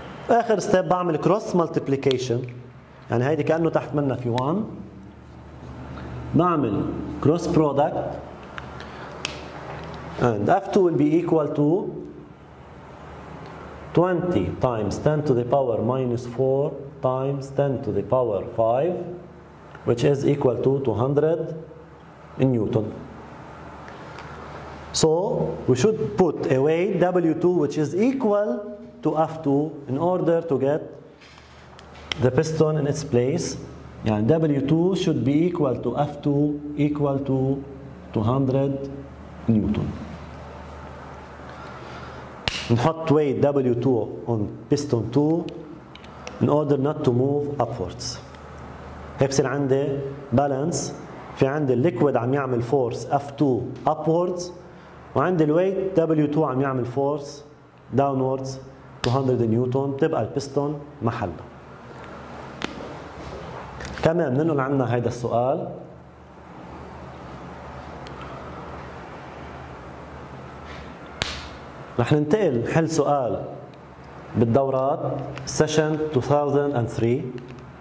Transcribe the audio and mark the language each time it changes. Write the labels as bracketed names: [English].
[English] اخر ستيب بعمل cross multiplication [Arabic] يعني هيدي كانه تحت منها في [English] 1 بعمل cross product and of 2 will be equal to 20 times 10 to the power minus 4 times 10 to the power 5 which is equal to 200 in Newton. So we should put away W2 which is equal to F2 in order to get the piston in its place. And W2 should be equal to F2 equal to 200 Newton. And hot weight W2 on piston 2 in order not to move upwards. [Arabic] هيبصير عندي balance. في عندي الليكويد عم يعمل فورس F2 upwards وعندي الويت W2 عم يعمل فورس downwards 200 نيوتن تبقى البستون محله. كمان بننقل عنا هيدا السؤال رح ننتقل نحل سؤال بالدورات session 2003